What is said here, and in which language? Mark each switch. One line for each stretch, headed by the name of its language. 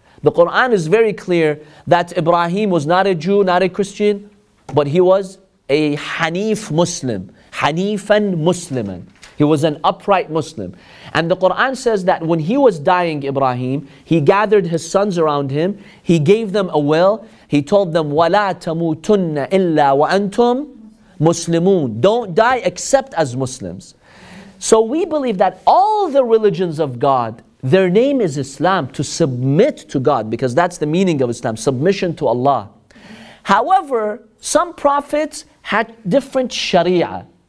English: The Quran is very clear that Ibrahim was not a Jew, not a Christian, but he was a Hanif Muslim. Hanifan Musliman. He was an upright Muslim. And the Quran says that when he was dying, Ibrahim, he gathered his sons around him. He gave them a will. He told them,
Arabic: وَلَا تَمُوتُنَّ إِلَّا وَأَنْتُمْ مُسْلِمُونَ.
English: Don't die except as Muslims. So we believe that all the religions of God, their name is Islam, to submit to God, because that's the meaning of Islam, submission to Allah. However, some prophets had different sharia.